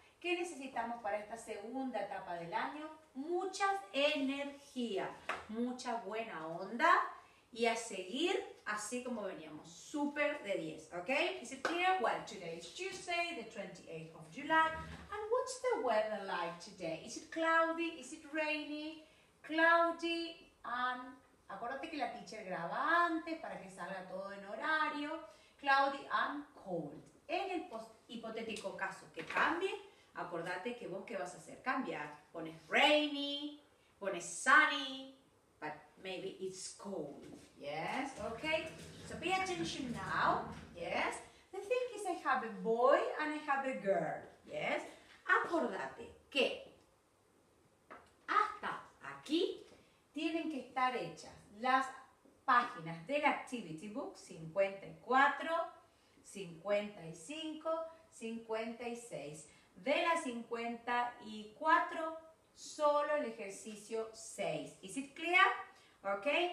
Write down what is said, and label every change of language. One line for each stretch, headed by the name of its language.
Spanish: ¿Qué necesitamos para esta segunda etapa del año? Mucha energía, mucha buena onda. Y a seguir así como veníamos, super de 10, ¿ok?
English: Is it clear? Well, today is Tuesday, the 28th of July. And what's the weather like today? Is it cloudy? Is it rainy? Cloudy.
Spanish: And acuérdate que la teacher graba antes para que salga todo en horario.
English: Cloudy and cold.
Spanish: En el hipotético caso que cambie, acuérdate que vos, ¿qué vas a hacer? Cambiar. Pones rainy, pones sunny.
English: Maybe it's cold. Yes, okay. So pay attention now. Yes. The thing is, I have a boy and I have a girl. Yes.
Spanish: Acordate que hasta aquí tienen que estar hechas las páginas del activity book 54, 55, 56. De las 54, solo el ejercicio 6.
English: Is it clear?
Spanish: ¿Ok?